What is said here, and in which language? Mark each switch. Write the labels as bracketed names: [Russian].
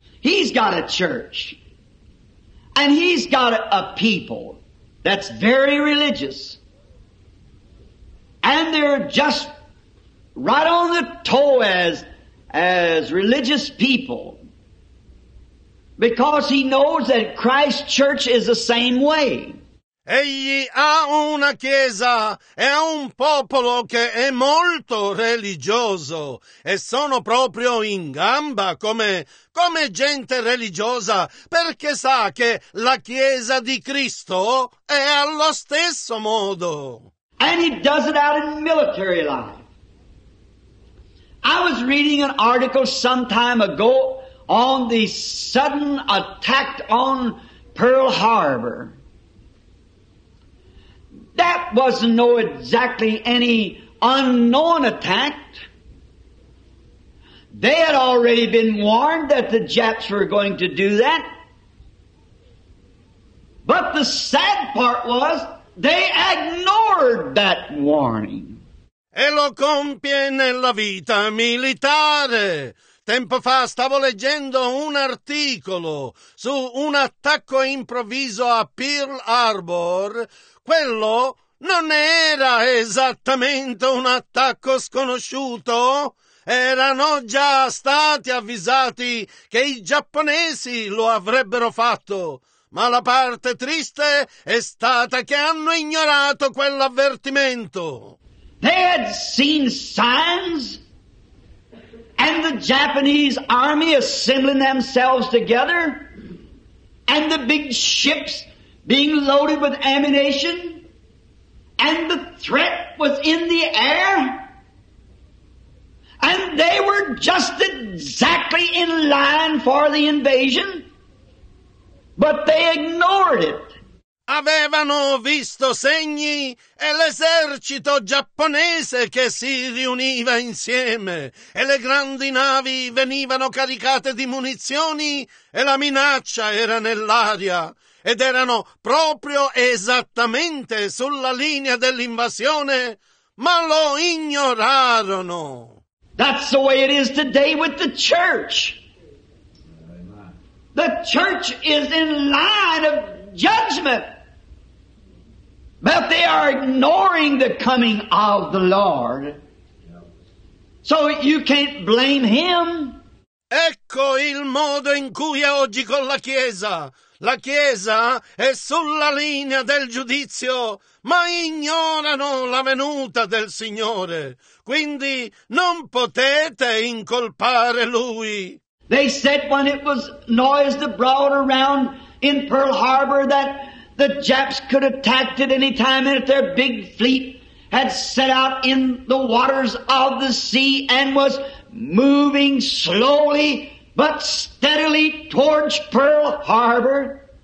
[English] He's got a church. And he's got a people that's very religious. And they're just right on the toe as religious people. Because he knows that Christ's church is the same way. [Italian] Egli ha una chiesa e ha un popolo che è molto religioso e sono proprio in gamba come gente religiosa, perché sa che la chiesa di Cristo è allo stesso modo. [English] And he does it out in military life. I was reading an article some time ago on the sudden attack on Pearl Harbor. That wasn't no exactly any unknown attack. They had already been warned that the Japs were going to do that. But the sad part was, they ignored that warning. [Italian] E lo compie nella vita militare. Tempo fa stavo leggendo un articolo su un attacco improvviso a Pearl Harbor. Quello non era esattamente un attacco sconosciuto. Erano già stati avvisati che i giapponesi lo avrebbero fatto. Ma la parte triste è stata che hanno ignorato quell'avvertimento. [English] They had seen signs and the Japanese army assembling themselves together and the big ships being loaded with ammunition, and the threat was in the air, and they were just exactly in line for the invasion, but they ignored it. [Italian] Avevano visto segni e l'esercito giapponese che si riuniva insieme e le grandi navi venivano caricate di munizioni e la minaccia era nell'aria. Ed erano proprio esattamente sulla linea dell'invasione, ma lo ignorarono. [English] That's the way it is today with the church. The church is in line of judgment. But they are ignoring the coming of the Lord. So you can't blame him. [Italian] Ecco il modo in cui oggi con la Chiesa. La Chiesa è sulla linea del giudizio, ma ignorano la venuta del Signore. Quindi non potete incolpare Lui. [English] They said when it was noised abroad around in Pearl Harbor that the Japs could attack at any time and if their big fleet had set out in the waters of the sea and was moving slowly but steadily towards Pearl Harbor,